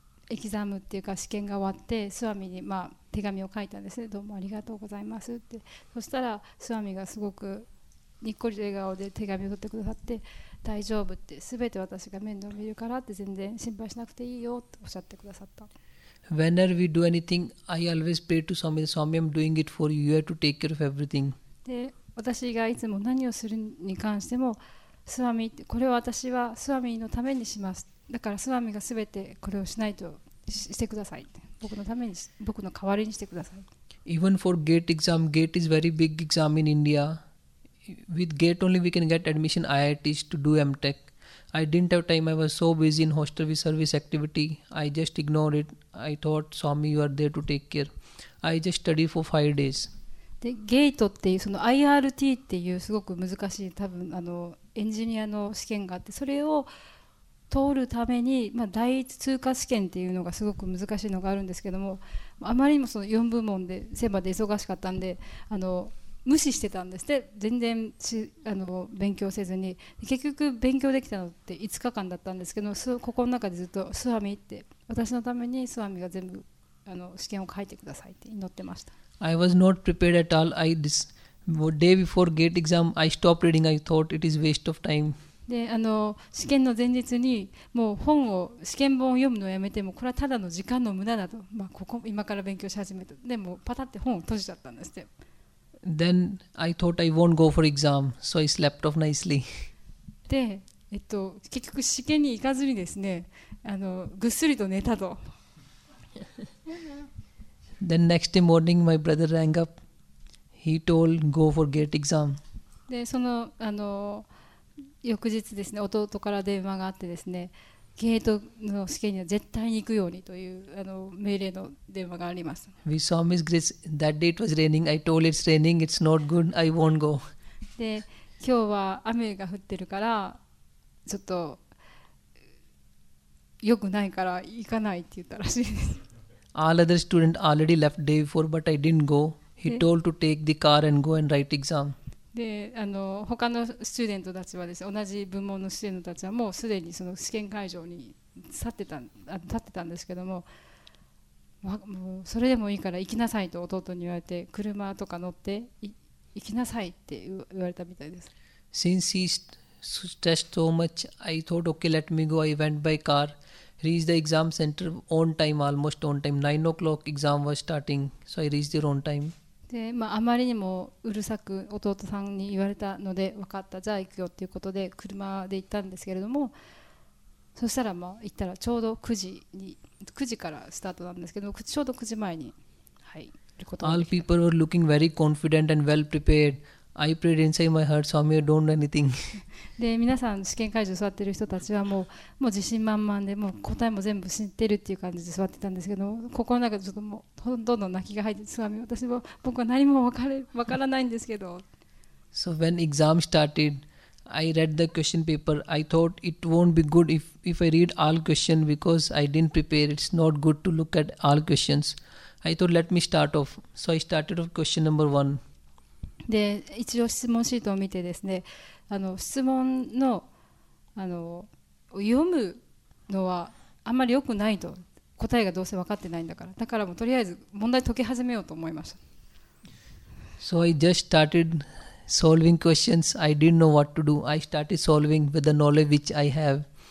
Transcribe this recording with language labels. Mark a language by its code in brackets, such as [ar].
[ja] エキザムっていうか試験が終わってスワミにまあ手紙を書いたんですね。どうもありがとうございますって。そしたらスワミがすごくにっこりと笑顔で手紙を取ってくださって、大丈夫って、すべて私が面倒を見るからって、全然心配しなくていいよっておっしゃってくださった。 [en] Whenever we do anything, I always pray to Swami, Swami, I'm doing it for you, you have to take care of everything. [ja] で、私がいつも何をするに関しても、スワミ、これは私はスワミのためにします。だからスワミがすべてこれをしないと してください。僕のために、僕の代わりにしてください。 [en] Even for gate exam, gate is very big exam in India. With gate only we can get admission IITs to do M.Tech. I didn't have time. I was so busy in hostel with service activity. I just ignored it. I thought, Swami, you are there to take care. I just studied for 5 days. [ja] で、gate っていうその IRT っていうすごく難しい多分あのエンジニアの試験があって、それを通るために、まあ、第一通過試験っていうのがすごく難しいのがあるんですけども、あまりにもその4部門で選抜で忙しかったんで、あの無視してたんですって。全然あの勉強せずに、結局勉強できたのって5日間だったんですけど、心の中でずっとスワミって、私のためにスワミが全部あの試験を書いてくださいって祈ってました。 [en] I was not prepared at all. I this day before gate exam I stopped reading. I thought it is waste of time. [ja] で、あの試験の前日にもう本を試験本を読むのをやめても、これはただの時間の無駄だと、まあ、ここ今から勉強し始めた。でもパタって本を閉じちゃったんですって。 [en] Then I thought I won't go for exam, so I slept off nicely. [ja] で、結局試験に行かずにですね、あのぐっすりと寝たと。 [en] Then next day morning, my brother rang up. He told go for gate exam. [ja] で、その、あの、翌日ですね、弟から電話があってですね、ゲートの試験には絶対に行くようにというあの命令の電話があります。 [en] We saw Miss Grace. That day it was raining. I told it's raining. It's not good. I won't go. [ja] で、今日は雨が降ってるからちょっと良くないから行かないって言ったらしいです。 [en] All other students already left day before, but I didn't go. He told to take the car and go and write exam. [ja] で、あの他のスチューデントたちはですね、同じ部門のスチューデントたちはもうすでにその試験会場に立ってたんですけども、ま、もうそれでもいいから行きなさいと弟に言われて、車とか乗って行きなさいって言われたみたいです。 [en] Since he stressed so much, I thought, okay, let me go. I went by car, reached the exam center on time, almost on time. 9 o'clock exam was starting, so I reached there on time. [ja] で、まあ、あまりにもうるさく弟さんに言われたので、分かった、じゃあ行くよということで車で行ったんですけれども、そしたらまあ行ったらちょうど9時に、9時からスタートなんですけど、ちょうど9時前に、はい、ることができた。 [en] All people were looking very confident and well prepared. I prayed inside my heart, Swami, I don't know anything. [ja] で、皆さん試験会場座ってる人たちはもう自信満々で、もう答えも全部知ってるっていう感じで座ってたんですけど、心の中でちょっともうどんどん泣きが入って、スワミ、私も僕は何も分からないんですけど。 [en] So when exam started, I read the question paper. I thought it won't be good if I read all questions because I didn't prepare. It's not good to look at all questions. I thought let me start off. So I started off question number one. [ja] で、一応質問シートを見てですね、あの質問のあの読むのはあんまり良くないと、答えがどうせ分かってないんだから、だからもうとりあえず問題解き始めようと思いました。 [en] So I just started solving questions. I didn't know what to do. I started solving with the knowledge which I have.